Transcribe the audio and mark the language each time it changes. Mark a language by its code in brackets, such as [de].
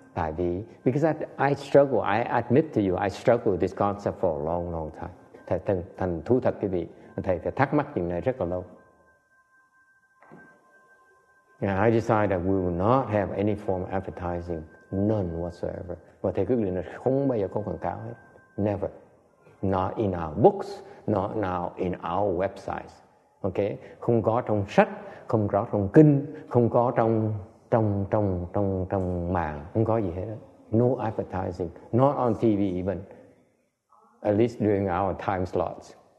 [vi] Tại vì, [en] because I struggle, I admit to you, I struggle with this concept for a long, long time. [vi] Thầy thành thú thật quý vị, thầy phải thắc mắc chuyện này rất là lâu. [en] And I decide that we will not have any form of advertising, none whatsoever. [vi] Và thầy quyết định là không bao giờ có quảng cáo hết. [en] Never. Not in our books, not now in our websites. [vi] Okay, không có trong sách, không có trong kinh, không có trong mạng, không có gì hết. [en] No advertising, not on TV even. At least during our time slots.